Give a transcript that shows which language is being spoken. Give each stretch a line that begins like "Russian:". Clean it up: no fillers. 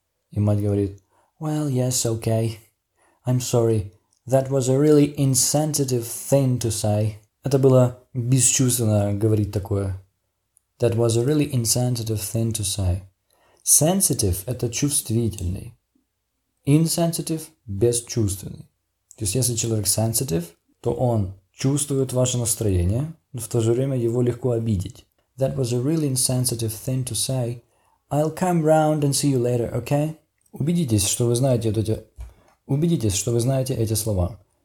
Russian: И мать говорит,
English: Well, yes, okay. I'm sorry. That was a really insensitive thing to say.
Russian: Это было бесчувственно говорить такое.
English: That was a really insensitive thing to say.
Russian: Sensitive – это чувствительный. Insensitive – бесчувственный. То есть, если человек sensitive, то он чувствует ваше настроение, но в то же время его легко обидеть.
English: That was a really insensitive thing to say. I'll come round and see you later, okay?
Russian: Убедитесь, что вы знаете вот эти... Убедитесь, что вы знаете эти слова.